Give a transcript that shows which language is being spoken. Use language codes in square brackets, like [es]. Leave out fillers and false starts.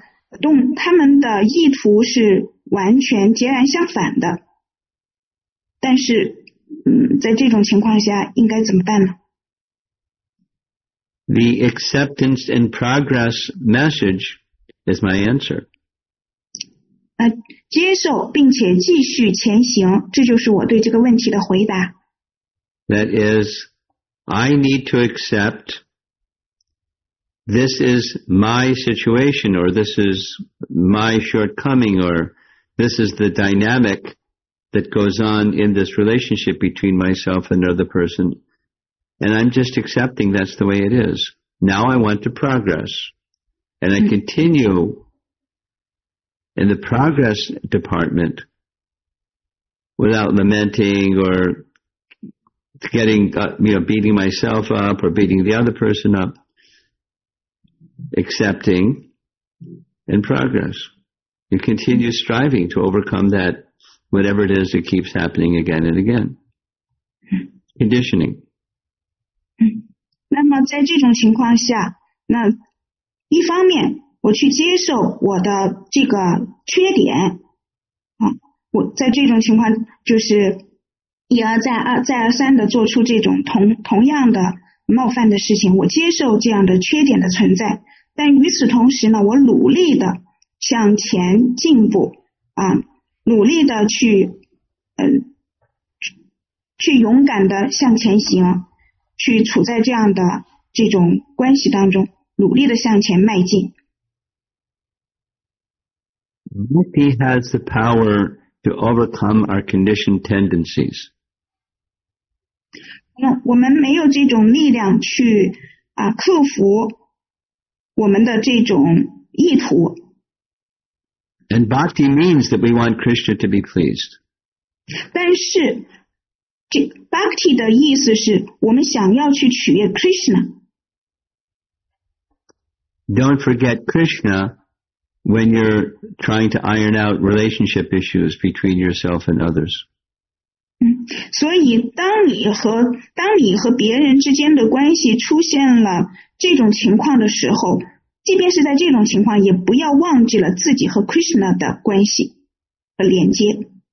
[zh] 可能他们的意图是完全截然相反的。但是在这种情况下应该怎么办呢？ [en] The acceptance and progress message is my answer. [zh] 接受并且继续前行，这就是我对这个问题的回答。 [en] That is, I need to accept this is my situation, or this is my shortcoming, or this is the dynamic that goes on in this relationship between myself and another person. And I'm just accepting that's the way it is. Now I want to progress. And I continue in the progress department without lamenting or beating myself up or beating the other person up. Accepting and progress. And continue striving to overcome that whatever it is that keeps happening again and again. Conditioning. [zh] 那么在这种情况下，那一方面我去接受我的这个缺点，我在这种情况就是一而再再而三的做出这种同样的冒犯的事情，我接受这样的缺点的存在，但与此同时呢，我努力的向前进步，努力的去去勇敢的向前行，去处在这样的这种关系当中，努力的向前迈进。 [en] Mukti has the power to overcome our conditioned tendencies. [zh] 我们没有这种力量去克服我们的这种意图。 [en] And bhakti means that we want Krishna to be pleased. [zh] 但是这 bhakti 的意思是我们想要去取悦 Krishna。 [en] Don't forget Krishna when you're trying to iron out relationship issues between yourself and others. [zh] 所以当你和别人之间的关系出现了这种情况的时候，即便是在这种情况，也不要忘记了自己和 Krishna 的关系和连接。